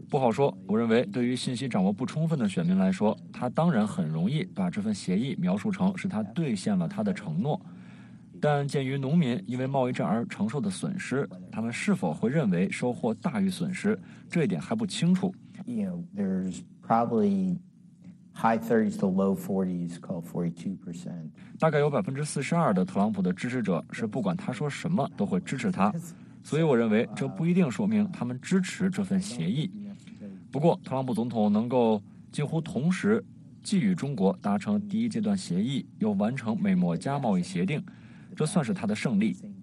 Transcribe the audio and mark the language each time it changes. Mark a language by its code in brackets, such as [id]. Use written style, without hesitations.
[zh] 不好说。我认为，对于信息掌握不充分的选民来说，他当然很容易把这份协议描述成是他兑现了他的承诺。但鉴于农民因为贸易战而承受的损失，他们是否会认为收获大于损失，这一点还不清楚。 [en] You know, there's probably high 30s to low 40s, called 42%. [zh] 大概有42%的特朗普的支持者是不管他说什么都会支持他，所以我认为这不一定说明他们支持这份协议。不过，特朗普总统能够近乎同时既与中国达成第一阶段协议，又完成美墨加贸易协定，这算是他的胜利。